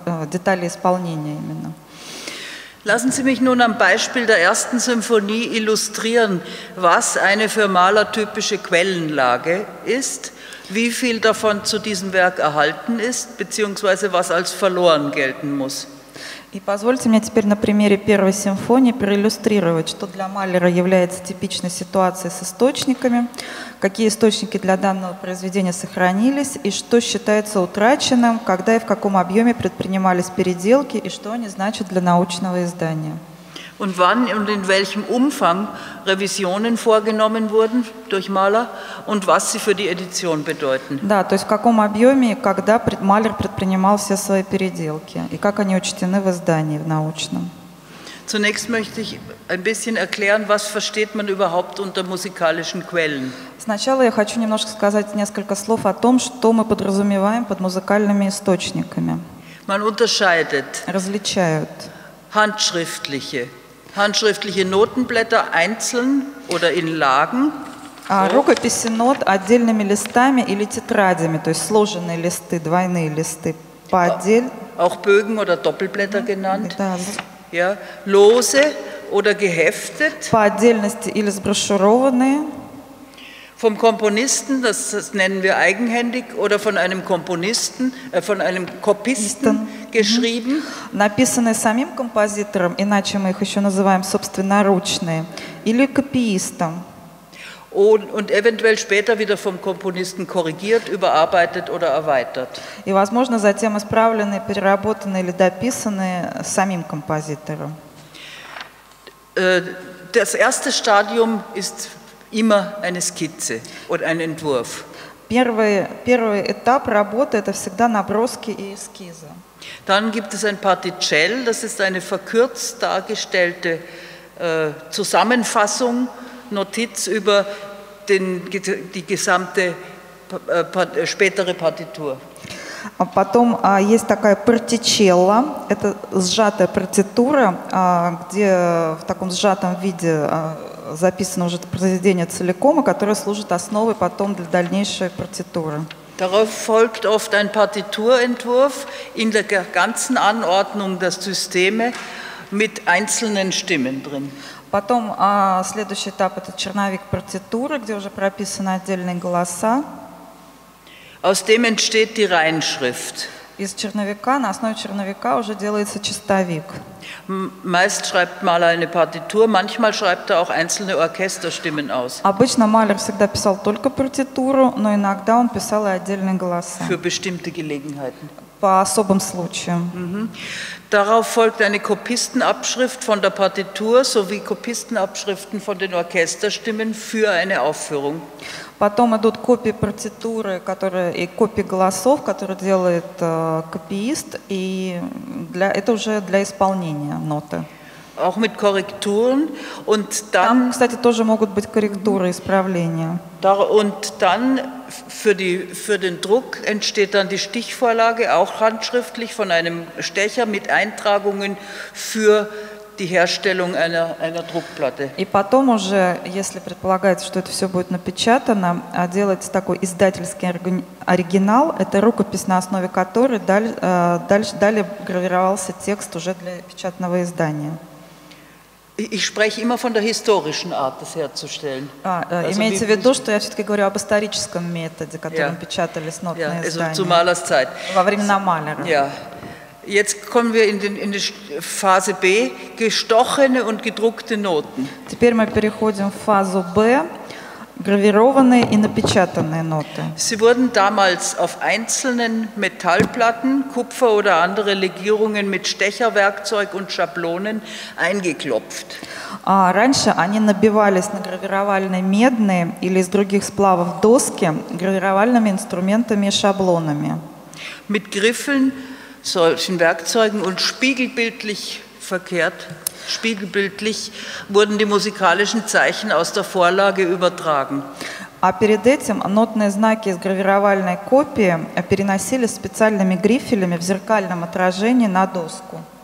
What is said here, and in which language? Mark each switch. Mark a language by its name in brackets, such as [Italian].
[Russian] Детали исполнения именно. [German] Lassen Sie mich nun am Beispiel der ersten Symphonie illustrieren, was eine für Mahler typische Quellenlage ist, wie viel davon zu diesem Werk erhalten ist, beziehungsweise was als verloren gelten muss. [Russian] И позвольте мне теперь на примере первой симфонии проиллюстрировать, что для Малера является типичной ситуацией с источниками, какие источники для данного произведения сохранились и что считается утраченным, когда и в каком объеме предпринимались переделки и что они значат для научного издания. [German] Und wann und in welchem Umfang Revisionen vorgenommen wurden durch Mahler und was sie für die Edition bedeuten. [Russian] Да, то есть в каком объеме, когда Малер предпринимал все свои переделки и как они учтены в издании, в научном. [German] Zunächst möchte ich ein bisschen erklären, was versteht man überhaupt unter musikalischen Quellen. [Russian] Сначала я хочу немножко сказать несколько слов о том, что мы подразумеваем под музыкальными источниками. [German] Man unterscheidet. [Russian] Различают. [German] Handschriftliche. Handschriftliche Notenblätter einzeln oder in Lagen. [Russian] Рукописи нот отдельными листами или тетрадями, то есть сложенные листы, двойные листы. [German] Auch Bögen oder Doppelblätter genannt. [Russian] Да, [German] Ja, lose oder geheftet. [Russian] По отдельности или сброшюрованные. [German] Vom Komponisten, das nennen wir eigenhändig, oder von einem Komponisten, von einem Kopisten geschrieben. [Russian] Написанные самим композитором, иначе мы их еще называем собственноручные, или копиистом. [German] Und eventuell später wieder vom Komponisten korrigiert, überarbeitet oder erweitert. [Russian] И возможно затем исправленные, переработанные или дописанные самим композитором. [German] Das erste Stadium ist immer eine Skizze oder ein Entwurf. [Russian] Первый этап работы – это всегда наброски и эскизы. [German] Dann gibt es ein Particell, das ist eine verkürzt dargestellte Zusammenfassung, Notiz über die gesamte spätere Partitur. [Russian] Потом есть такая партичелла, это сжатая партитура, где в таком сжатом виде записано уже произведение целиком, которое служит основой потом для дальнейшей партитуры. [German] Darauf folgt oft ein Partiturentwurf in der ganzen Anordnung der Systeme mit einzelnen Stimmen drin. [Russian] Потом следующий этап – это черновик партитуры, где уже прописаны отдельные голоса. [German] Aus dem entsteht die Reinschrift. [Russian] Из черновика, на основе черновика уже делается чистовик. [German] Meist schreibt Maler eine Partitur, manchmal schreibt er auch einzelne Orchesterstimmen aus. [Russian] Обычно Малер всегда писал только партитуру, но иногда он писал и отдельные голоса. [German] Für bestimmte Gelegenheiten. [Russian] По особым случаям. [German] Darauf folgt eine Kopistenabschrift von der Partitur sowie Kopistenabschriften von den Orchesterstimmen für eine Aufführung. [Russian] Потом идут копии партитуры, которые и копии голосов, которые делает копиист, и для это уже для исполнения ноты. [German] Auch mit Korrekturen und dann. [Russian] Там, кстати, тоже могут быть корректуры, исправления. [German] Da, und dann für den Druck entsteht dann die Stichvorlage, auch handschriftlich von einem Stecher mit Eintragungen für die Herstellung einer Druckplatte. [Russian] И потом уже, если предполагается, что это все будет напечатано, делается такой издательский оригинал, это рукопись, на основе которой далее гравировался текст уже для печатного издания. [German] Ich spreche immer von der historischen Art, das herzustellen. [Russian] Имеется в виду, что я все-таки говорю об историческом методе, которым печатались нотные издания. [German] Also zu Malers Zeit. [Russian] Во времена Малера. [German] Ja. Jetzt kommen wir in die Phase B, gestochene und gedruckte Noten. [Russian] Теперь мы переходим в фазу Б, гравированные и напечатанные ноты. [German] Sie wurden damals auf einzelnen Metallplatten, Kupfer oder andere Legierungen mit Stecherwerkzeug und Schablonen eingeklopft. [Russian] Раньше они набивались на гравировальные медные или из других сплавов доски гравировальными инструментами и шаблонами. [German] Mit Griffeln, solchen Werkzeugen und spiegelbildlich verkehrt, spiegelbildlich wurden die musikalischen Zeichen aus der Vorlage übertragen. [Russian] А перед этим нотные знаки из гравировальной копии переносились специальными грифелями в зеркальном отражении на доску.